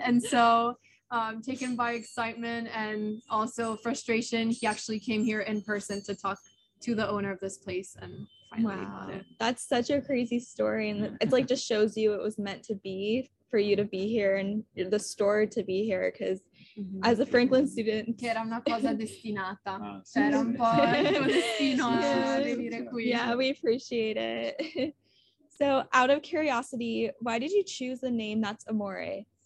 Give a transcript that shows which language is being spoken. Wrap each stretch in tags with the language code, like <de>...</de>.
<en>And so taken by excitement and also frustration, he actually came here in person to talk to the owner of this place and finally wow. bought it. That's such a crazy story, and it's like just shows you it was meant to be for you to be here and the store to be here, because mm-hmm. as a Franklin student</en> <it>che era una cosa destinata era un po' destino a venire qui.</it> <en>Yeah, we appreciate it. So out of curiosity, why did you choose the name That's Amore?</en>